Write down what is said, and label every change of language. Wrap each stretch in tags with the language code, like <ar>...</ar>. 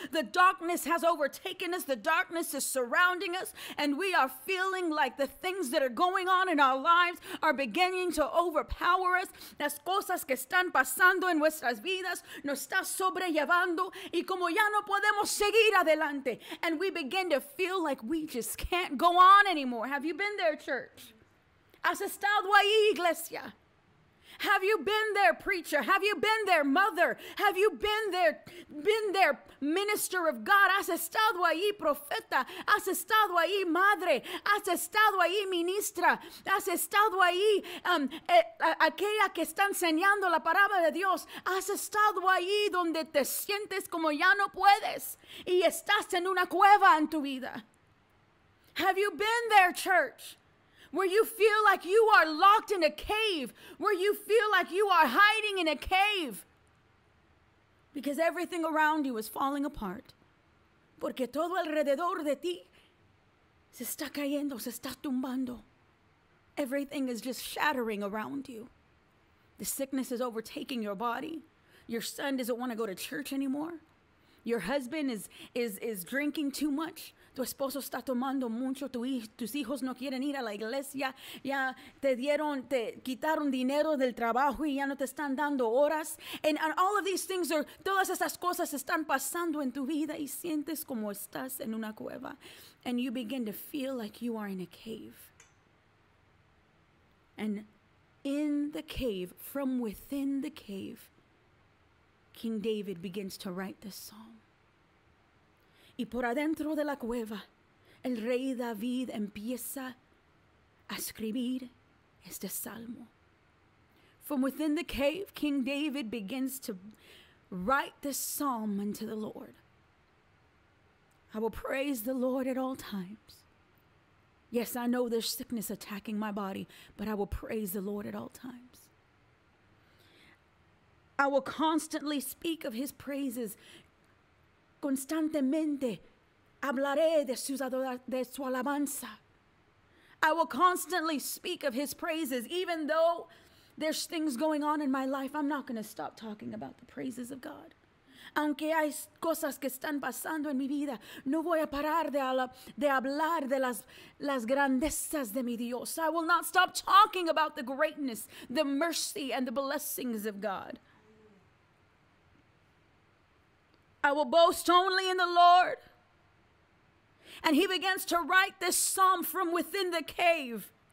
<en>The darkness has overtaken us. The darkness is surrounding us. And we are feeling like the things that are going on in our lives are beginning to overpower us.</en> <es>Las cosas que están pasando en nuestras vidas nos está sobrellevando. Y como ya no podemos seguir adelante.</es> <en>And we begin to feel like we just can't go on anymore. Have you been there, church?</en> <es>¿Has estado ahí, iglesia?</es> <en>Have you been there, preacher? Have you been there, mother? Have you been there, minister of God?</en> <es>¿Has estado ahí, profeta? ¿Has estado ahí, madre? ¿Has estado ahí, ministra? ¿Has estado ahí, aquella que está enseñando la palabra de Dios? ¿Has estado ahí donde te sientes como ya no puedes y estás en una cueva en tu vida?</es> <en>Have you been there, church? Where you feel like you are locked in a cave. Where you feel like you are hiding in a cave. Because everything around you is falling apart.</en> <es>Porque todo alrededor de ti se está cayendo, se está tumbando.</es> <en>Everything is just shattering around you. The sickness is overtaking your body. Your son doesn't want to go to church anymore. Your husband is drinking too much.</en> <es>Tu esposo está tomando mucho, tus hijos no quieren ir a la iglesia, ya te quitaron dinero del trabajo y ya no te están dando horas.</es> <en>And all of these things are,</en> <es>todas esas cosas están pasando en tu vida y sientes como estás en una cueva.</es> <en>And you begin to feel like you are in a cave. And in the cave, from within the cave, King David begins to write this psalm.</en> <es>Y por adentro de la cueva, el rey David empieza a escribir este salmo.</es> <en>From within the cave, King David begins to write this psalm unto the Lord. I will praise the Lord at all times. Yes, I know there's sickness attacking my body, but I will praise the Lord at all times. I will constantly speak of his praises.</en> <es>Constantemente hablaré de su alabanza.</es> <en>I will constantly speak of his praises. Even though there's things going on in my life, I'm not going to stop talking about the praises of God.</en> <es>Aunque hay cosas que están pasando en mi vida, no voy a parar de hablar de las grandezas de mi Dios.</es> <en>I will not stop talking about the greatness, the mercy, and the blessings of God. I will boast only in the Lord. And he begins to write this psalm from within the cave.</en>